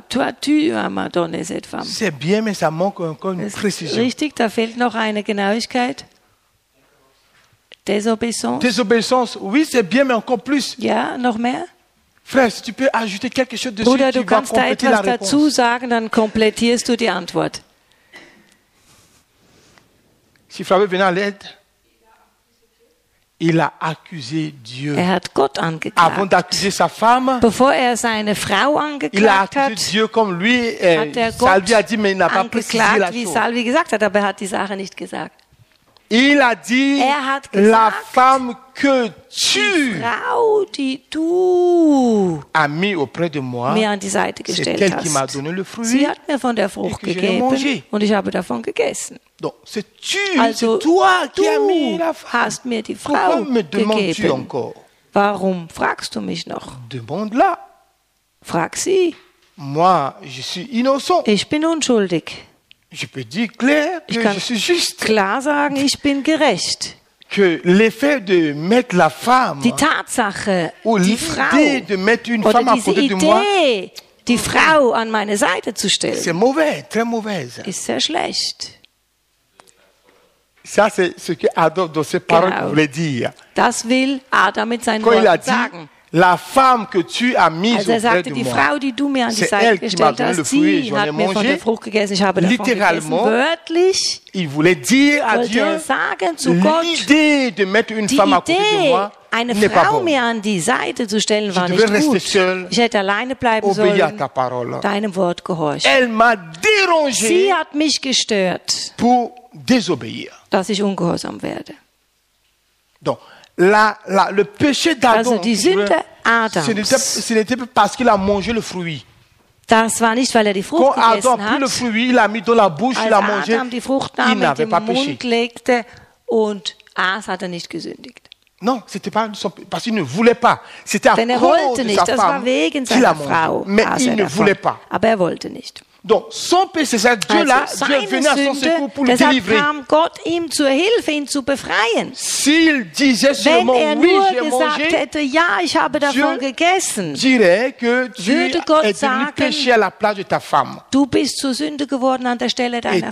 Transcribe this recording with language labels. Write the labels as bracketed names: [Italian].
[French] Toi, tu m'as donné cette femme. C'est bien, mais ça manque encore une précision. [German] Richtig, da fehlt noch eine Genauigkeit. [French] Désobéissance. Désobéissance, oui, c'est bien, mais encore plus. [German] Ja, noch mehr? [French] Frère, si tu peux ajouter quelque chose dessus, [German] Bruder, [French] tu vas compléter la réponse. [German] Bruder, du kannst da etwas dazu sagen, dann komplettierst du die Antwort. [French] Si Frère venait à l'aide, il a accusé Dieu. [German] Er hat Gott angeklagt. [French] Avant d'accuser sa femme, [German] bevor er seine Frau angeklagt hat, [French] Dieu comme lui, [German] hat er Gott [French] Salvi a dit, mais il n'a pas précisé la chose. [German] Wie Salvi gesagt hat, aber er hat die Sache nicht gesagt. [French] Il a dit, [German] er hat gesagt, [French] la femme que tu [German] Frau, die du [French] as mis auprès de moi, [German] mir an die Seite gestellt [French] c'est elle [German] hast. [French] Qui m'a donné le fruit, [German] sie hat mir von der Frucht gegeben und ich habe davon gegessen. [French] Donc, c'est tu, [German] also, [French] c'est toi qui [German] du [French] a mis la femme. [German] Hast mir die Frau [French] me demandes-tu [German] gegeben. [French] Encore? [German] Warum fragst du mich noch? [French] Demande-la. [German] Frag sie. [French] Moi, je suis innocent. [German] Ich bin unschuldig. [French] Je peux dire clair que [German] ich kann [French] je suis juste. [German] Klar sagen, ich bin gerecht. [French] Que l'effet de mettre la femme, [German] die Tatsache, [French] ou [German] die [French] l'idée [German] Frau, [French] de mettre une femme à côté idée, de moi, [German] die Frau an meine Seite zu stellen, [French] c'est mauvais, très mauvaise. [German] Ist sehr schlecht. [French] Ça, c'est ce que Adam, dans ses paroles, [German] genau. [French] Voulait dire. [German] Das will Adam mit seinen Worten [French] dit, [German] sagen. [French] La femme que tu as mise [German] also er sagte, [French] auprès [German] die [French] de [German] Frau, [French] moi, [German] die du mir an die [French] c'est [German] Seite [French] elle qui m'a donné le fruit, [German] sie [French] j'en ai mangé. [German] Gegessen, ich habe [French] littéralement, [German] davon gegessen, wörtlich, [French] il voulait dire à Dieu, [German] sagen, [French] l'idée [German] Gott, [French] de mettre une femme idée, à côté de moi, [German] eine [French] n'est [German] Frau [French] pas bonne. [German] Mir an die Seite zu stellen, [French] je [German] war [French] devais [German] nicht [French] rester [German] gut. [French] Seul, [German] ich hätte alleine bleiben [French] obéir [German] sollen, [French] à ta parole. [German] Deinem Wort gehorchen. [French] Elle m'a dérangé [German] sie hat mich gestört, [French] pour désobéir. [German] Dass ich ungehorsam werde. [French] Donc, le péché d'Adam, [German] also die Sünde Adams, [French] ce n'était pas parce qu'il a mangé le fruit. [German] Das war nicht, weil er die Frucht [French] Quand [German] gegessen [French] Adam [German] hat. [French] A pris le fruit, il a mis dans la bouche, [German] als [French] il a mangé, [German] Adam die Frucht nahm, [French] il n'avait [German] den [French] pas [German] Mund [French] péché. [German] Legte und aß, hat er nicht gesündigt. [French] Non, c'était pas parce qu'il ne voulait pas. C'était [German] denn [French] à cause de [German] nicht, [French] sa femme qu'il a mangé. Mais il ne [German] davon. [French] Voulait pas. [German] Aber er wollte nicht. [French] Donc son péché, c'est ça, Dieu là, Dieu est venu à son secours pour le délivrer. [German] Kam Gott ihm zur Hilfe, ihn zu befreien. [French] S'il disait seulement oui, j'ai mangé, [German] hätte, ja, ich habe davon Dieu gegessen, [French] dirait que tu es devenu péché à la place de ta femme. [German] Du bist zur Sünde geworden an der Stelle deiner